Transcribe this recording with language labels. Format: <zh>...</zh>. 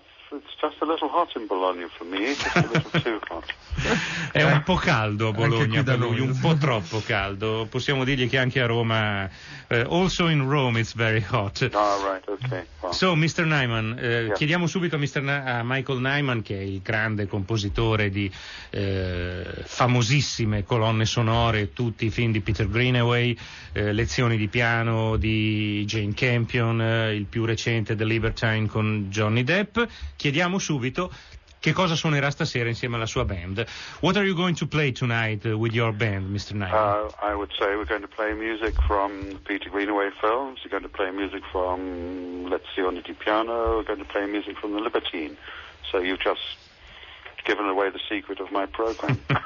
<en>It's just a little hot in Bologna for me. Just a little too hot.</en> <it>È un po' caldo a Bologna anche qui da lui, un po' troppo caldo. Possiamo dirgli che anche a Roma,</it> <en>also in Rome it's very hot. Ah, right, okay. Well. So, Mr. Nyman, yeah.</en> <it>Chiediamo subito a Michael Nyman, che è il grande compositore di famosissime colonne sonore, tutti i film di Peter Greenaway, lezioni di piano di Jane Campion, il più recente The Libertine con Johnny Depp. Chiediamo subito che cosa suonerà stasera insieme alla sua band.</it> <en>What are you going to play tonight with your band, Mr. Nyman? I would say we're going to play music from Peter Greenaway films. We're going to play music from Lezioni di Piano. We're going to play music from The Libertine. So you've just given away the secret of my program.</en>